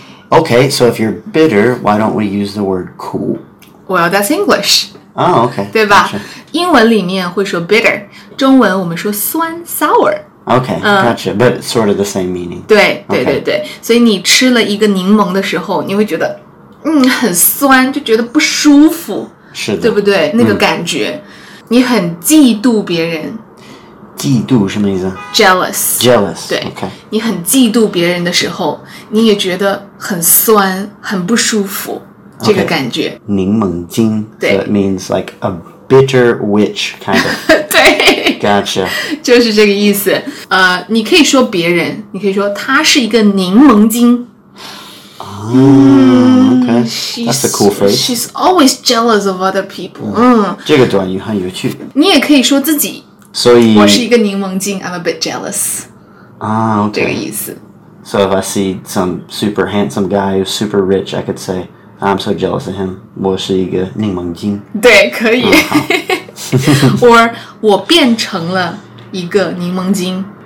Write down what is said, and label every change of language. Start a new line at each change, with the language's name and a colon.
English: Okay, so if you're bitter, why don't we use the word cool? Well, that's English. Oh, okay.
Chinese: 对吧、gotcha. 英文里面会说 bitter, 中文我们说酸 sour.
English: Okay, gotcha, but sort of the same meaning.
Chinese: 对对对对、okay. 所以你吃了一个柠檬的时候你会觉得很酸就觉得不舒服。是的。对不对那个感觉。你很嫉妒别人。嫉妒什么意思
English: ?Jealous. Jealous.
Chinese: 对。
English: Okay.
Chinese: 你很嫉妒别人的时候你也觉得很酸很不舒服、
English: okay.
Chinese: 这个感觉。柠檬精。对。
English: So it means like a bitter witch kind of.
Chinese: 对。
English: Gotcha.
Chinese: 就是这个意思。你可以说别人，你可以说他是一个柠檬精。
English: Okay. That's a cool phrase. She's always jealous of other people.
Chinese: 这个短语很有趣。你也可以说自己。所以。我是一个柠檬精，
English: I'm a bit jealous. Okay.
Chinese: 这个意思。
English: So if I see some super handsome guy who's super rich, I could say, I'm so jealous of him.
Chinese: 我是一个柠檬精。对，可以。 or 我变成了一个柠檬精